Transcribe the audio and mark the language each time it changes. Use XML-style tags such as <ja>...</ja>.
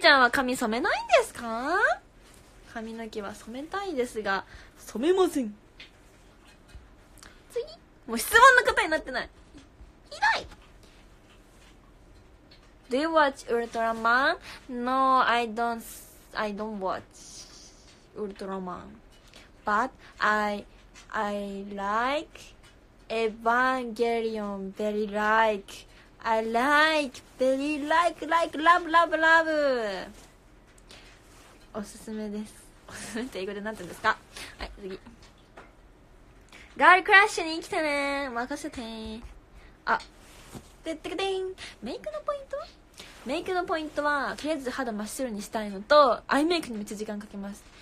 <ja>髪染めないんですか？髪の毛は染めたいですが染めません。次、もう質問の答えになってない、ひどい。</ja> <en>Do you watch Ultraman? No, I don't watch Ultraman. But I like Evangelion very like I like very like like love love love。</en> <ja>おすすめです。おすすめって英語で何て言うんですか。はい、次ガールクラッシュに来てね、任せて。あ、でってかでん、メイクのポイント、メイクのポイントはとりあえず肌真っ白にしたいのと、アイメイクにめっちゃ時間かけます。</ja>